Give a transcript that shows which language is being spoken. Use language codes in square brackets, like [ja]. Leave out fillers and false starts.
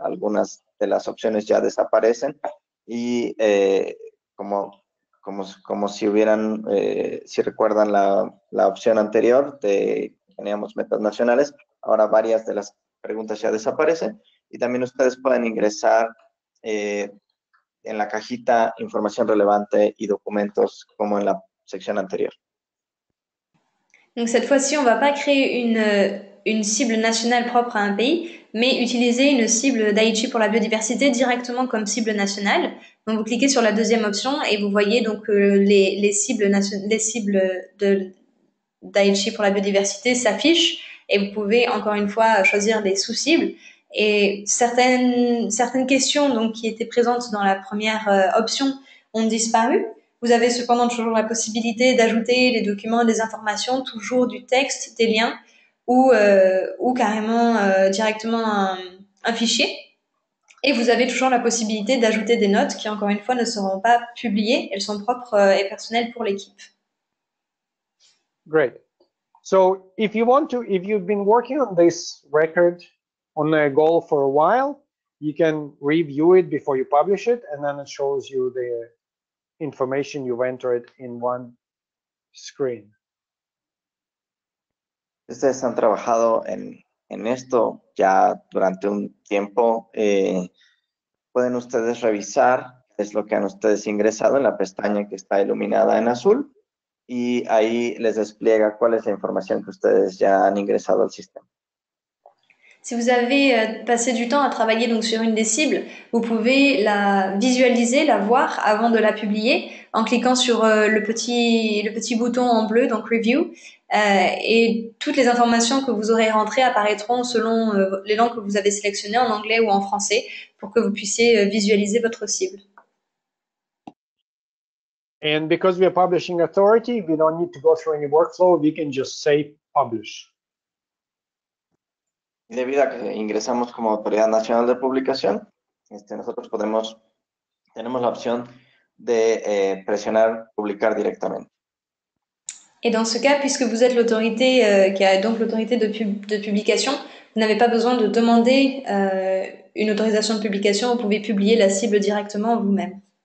[es] Algunas de las opciones ya desaparecen y como si hubieran, si recuerdan la opción anterior de teníamos metas nacionales, ahora varias de las preguntas ya desaparecen. Y también ustedes pueden ingresar en la cajita información relevante y documentos como en la sección anterior. [fr] Donc cette fois-ci, on ne va pas créer une cible nationale propre à un pays, mais utiliser une cible d'Aichi pour la biodiversité directement comme cible nationale. Donc vous cliquez sur la deuxième option et vous voyez donc les cibles d'Aichi pour la biodiversité s'affichent et vous pouvez encore une fois choisir les sous-cibles. Et certaines questions donc, qui étaient présentes dans la première option ont disparu. Vous avez cependant toujours la possibilité d'ajouter les documents, les informations, toujours du texte, des liens ou carrément directement un fichier. Et vous avez toujours la possibilité d'ajouter des notes qui, encore une fois, ne seront pas publiées. Elles sont propres et personnelles pour l'équipe. [en] Great. So, if you want to, if you've been working on this record on a goal for a while, you can review it before you publish it, and then it shows you the information you've entered in one screen. [es] Ustedes han trabajado en esto ya durante un tiempo. Pueden ustedes revisar es lo que han ustedes ingresado en la pestaña que está iluminada en azul, y ahí les despliega cuál es la información que ustedes ya han ingresado al sistema. [fr] Si vous avez passé du temps à travailler donc sur une des cibles, vous pouvez la visualiser, la voir avant de la publier en cliquant sur le petit bouton en bleu, donc Review, et toutes les informations que vous aurez rentrées apparaîtront selon les langues que vous avez sélectionnées, en anglais ou en français, pour que vous puissiez visualiser votre cible. [en] And because we are publishing authority, we don't need to go through any workflow, we can just say publish. [es] Debido a que ingresamos como autoridad nacional de publicación, nosotros tenemos la opción de presionar publicar directamente. [fr] Et dans ce cas, puisque vous êtes l'autorité qui a donc l'autorité de publication, vous n'avez pas besoin de demander une autorisation de publication, vous pouvez publier la cible directement vous-même.